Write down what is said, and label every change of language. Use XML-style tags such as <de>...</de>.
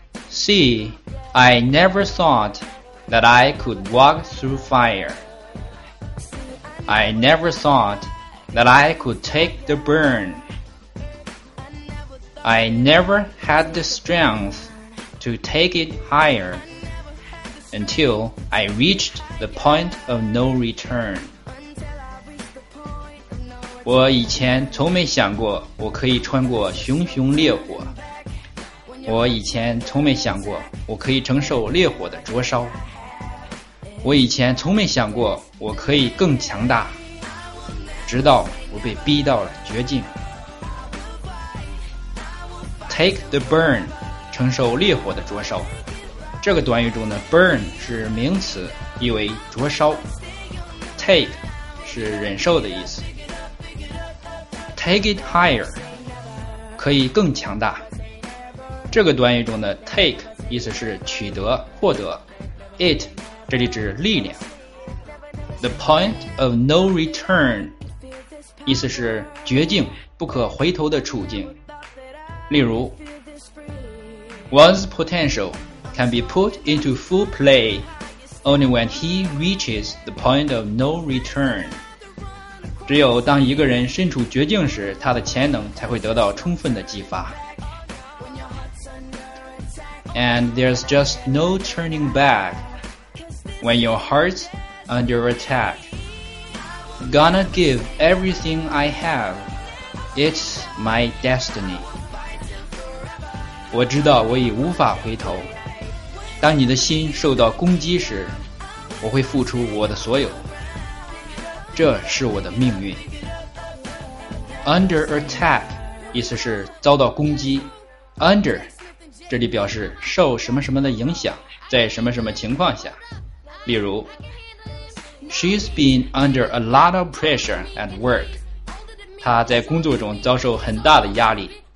<en>See, I never thought that I could walk through fire. I never thought that I could take the burn. I never had the strength to take it higher until I reached the point of no return.</en> <zh>我以前从没想过我可以穿过熊熊烈火。我以前从没想过我可以承受烈火的灼烧。我以前从没想过我可以更强大，直到我被逼到了绝境。</zh> <en>Take the burn,</en> <zh>承受烈火的灼烧。这个短语中的 burn 是名词，意为灼烧。 Take 是忍受的意思。</zh> <en>Take it higher,</en> <zh>可以更强大。这个短语中的 take 意思是取得、获得。 It 这里指力量。</zh> <en>The point of no return,</en> <zh>意思是绝境、不可回头的处境。例如</zh> <en>One's potential can be put into full play only when he reaches the point of no return.</en> <zh>只有当一个人身处绝境时，他的潜能才会得到充分的激发。</zh> <en>And there's just no turning back when your heart's under attack. Gonna give everything I have. It's my destiny.</en> <zh>我知道我已无法回头，当你的心受到攻击时，我会付出我的所有，这是我的命运。</zh> <en>Under attack</en> <zh>意思是遭到攻击。Under 这里表示受什么什么的影响，在什么什么情况下。例如</zh> <en>She's been under a lot of pressure at work.</en> <zh>她在工作中遭受很大的压力。</zh>